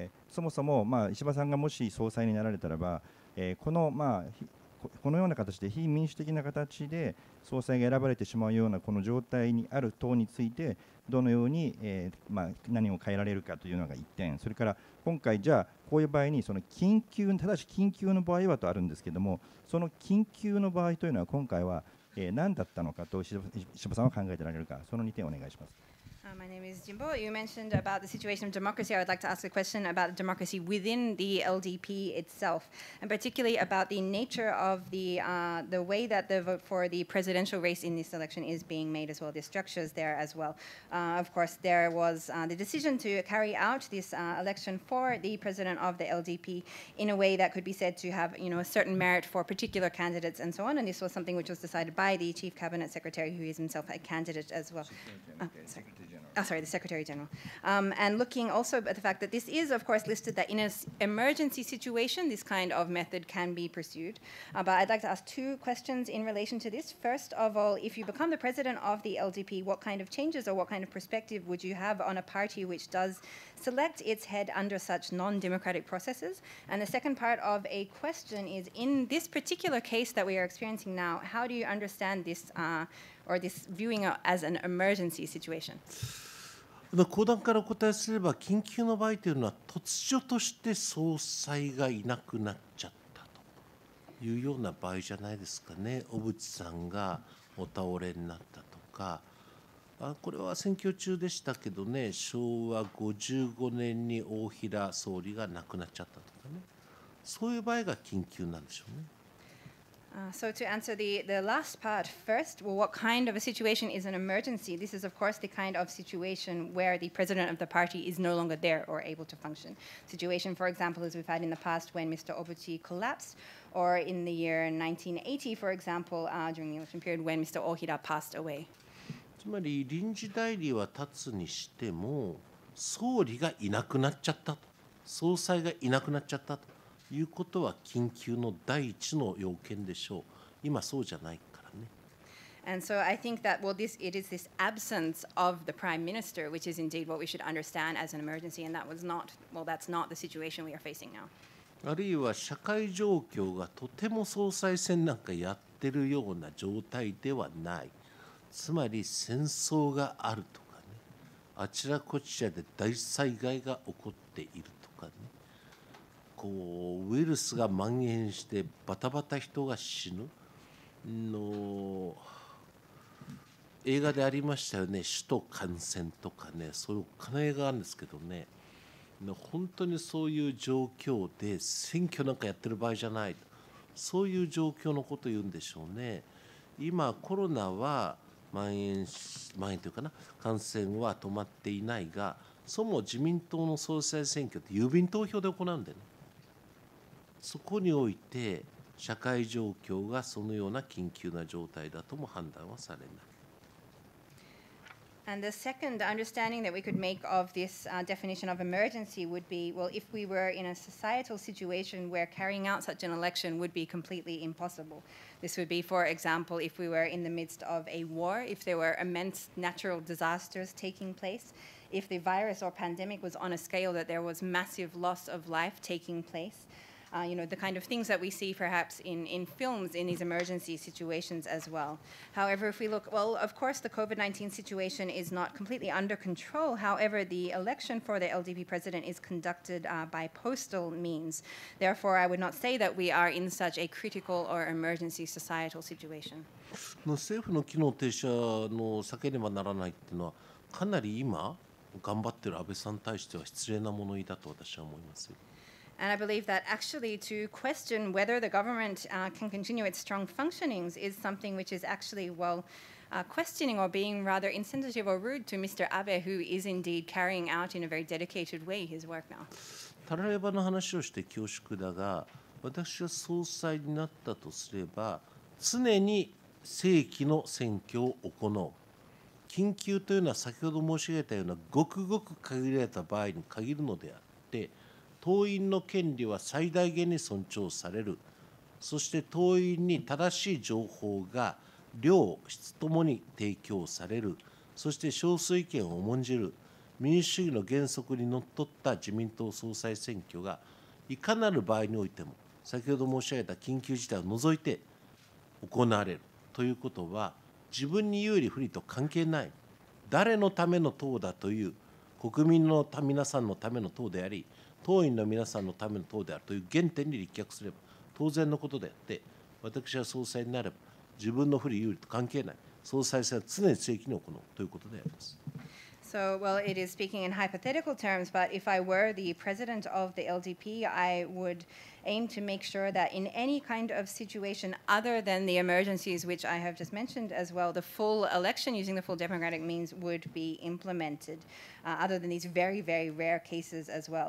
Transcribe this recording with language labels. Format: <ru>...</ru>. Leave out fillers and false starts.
<ja>そもそも石破さんがもし総裁になられたらば、このような形で非民主的な形で総裁が選ばれてしまうようなこの状態にある党について、どのように何を変えられるかというのが1点。それから今回じゃあこういう場合に、その緊急、ただし緊急の場合はとあるんですけども、その緊急の場合というのは今回は何だったのかと石破さんは考えてられるか、その2点お願いします。</ja> <en>My name is Jimbo. You mentioned about the situation of democracy. I would like to ask a question about democracy within the LDP itself, and particularly about the nature of the way that the vote for the presidential race in this election is being made as well, the structures there as well. Of course, there was the decision to carry out this election for the president of the LDP in a way that could be said to have, you know, a certain merit for particular candidates and so on. And this was something which was decided by the chief cabinet secretary, who is himself a candidate as well. The Secretary General. And looking also at the fact that this is, of course, listed that in an emergency situation, this kind of method can be pursued. But I'd like to ask two questions in relation to this. First of all, if you become the president of the LDP, what kind of changes or what kind of perspective would you have on a party which does select its head under such non-democratic processes? And the second part of a question is, in this particular case that we are experiencing now, how do you understand this? Or this viewing as an emergency situation?</en> <ja>後段からお答えすれば、緊急の場合というのは突如として総裁がいなくなっちゃったというような場合じゃないですかね。小渕さんがお倒れになったとか、これは選挙中でしたけどね、昭和55年に大平総理が亡くなっちゃったとかね、そういう場合が緊急なんでしょうね。</ja> <en>So to answer the last part first, well, what kind of a situation is an emergency? This is, of course, the kind of situation where the president of the party is no longer there or able to function. Situation, for example, as we've had in the past when Mr. Obuchi collapsed, or in the year 1980, for example, during the election period when Mr. Ohira passed away.</en> <ja>つまり臨時代理は立つにしても、総理がいなくなっちゃったと、総裁がいなくなっちゃったと。いうことは緊急の第一の要件でしょう。今そうじゃないからね。</ja> <en>And so I think that, well, this, it is this absence of the Prime Minister, which is indeed what we should understand as an emergency, and that was not, well, that's not the situation we are facing now.</en> <ja>あるいは社会状況がとても総裁選なんかやってるような状態ではない。つまり戦争があるとかね。あちらこちらで大災害が起こっているとかね。こうウイルスが蔓延してバタバタ人が死ぬの映画でありましたよね。首都感染とかね、そういう金映画があるんですけどね、本当にそういう状況で選挙なんかやってる場合じゃない、そういう状況のことを言うんでしょうね。今コロナは蔓延というかな、感染は止まっていないが、そも自民党の総裁選挙って郵便投票で行うんだよね。そこにおいて社会状況がそのような緊急な状態だとも判断はされない。</ja> <en>And the second understanding that we could make of this definition of emergency would be, well, if we were in a societal situation where carrying out such an election would be completely impossible. This would be, for example, if we were in the midst of a war, if there were immense natural disasters taking place, if the virus or pandemic was on a scale that there was massive loss of life taking place. You know, the kind of things that we see perhaps in films in these emergency situations as well. However, if we look, well, of course, the COVID-19 situation is not completely under control. However, the election for the LDP president is conducted by postal means. Therefore, I would not say that we are in such a critical or emergency societal situation.</en> <ja>政府の機能停止の避けねばならないっていうのは、かなり今頑張ってる安倍さんに対しては失礼な物言いだと私は思いますよ。</ja> <en>And I believe that actually to question whether the government can continue its strong functionings is something which is actually, well, questioning or being rather insensitive or rude to Mr. Abe, who is indeed carrying out in a very dedicated way his work now.</en> <ja>たらればの話をして恐縮だが、私は総裁になったとすれば、常に正規の選挙を行う。緊急というのは先ほど申し上げたようなごくごく限られた場合に限るのであって、党員の権利は最大限に尊重される。そして党員に正しい情報が量質ともに提供される。そして少数意見を重んじる民主主義の原則にのっとった自民党総裁選挙がいかなる場合においても、先ほど申し上げた緊急事態を除いて行われるということは、自分に有利不利と関係ない、誰のための党だという、国民の皆さんのための党であり、党員の皆さんのための党であるという原点に立脚すれば当然のことであって、私は総裁になれば自分の不利有利と関係ない、総裁選は常に正規に行うということであります。</ja> <en>So, well, it is speaking in hypothetical terms, but if I were the president of the LDP, I would aim to make sure that in any kind of situation other than the emergencies which I have just mentioned as well, the full election using the full democratic means would be implemented, other than these very, very rare cases as well.</en>